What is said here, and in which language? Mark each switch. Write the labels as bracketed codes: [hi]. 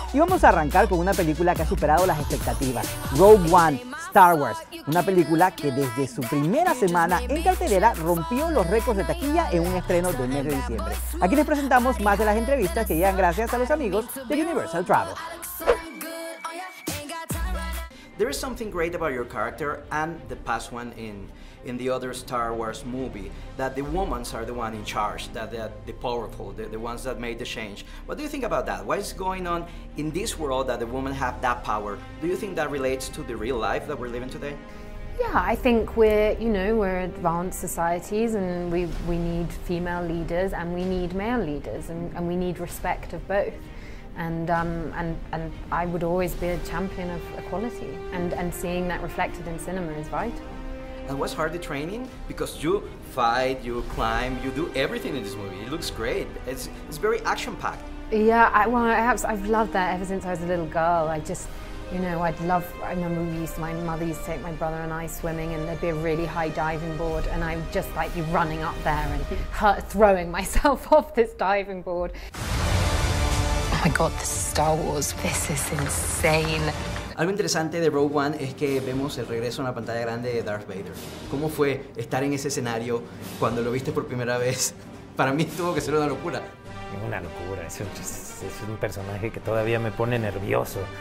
[es] Y vamos a arrancar con una película que ha superado las expectativas, Rogue One, Star Wars. Una película que desde su primera semana en cartelera rompió los récords de taquilla en un estreno del mes de diciembre. Aquí les presentamos más de las entrevistas que llegan gracias a los amigos de Universal Travel. [en] There is something great about your character and the past one in the other Star Wars movie, that the women are the one in charge, that the powerful, the ones that made the change. What do you think about that? What is going on in this world that the women have that power? Do you think that relates to the real life that we're living today? Yeah, I think we're advanced societies and we need female leaders and we need male leaders and we need respect of both. And I would always be a champion of equality, and seeing that reflected in cinema is vital. And what's hard the training? Because you fight, you climb, you do everything in this movie. It looks great. It's very action-packed. Yeah, I've loved that ever since I was a little girl. I remember my mother used to take my brother and I swimming, and there'd be a really high diving board, and I would just like be running up there and throwing myself off this diving board. Oh my God, this is Star Wars. This is insane. [es] Algo interesante de Rogue One es que vemos el regreso en la pantalla grande de Darth Vader. ¿Cómo fue estar en ese escenario cuando lo viste por primera vez? Para mí tuvo que ser una locura. Una locura. Es un personaje que todavía me pone nervioso.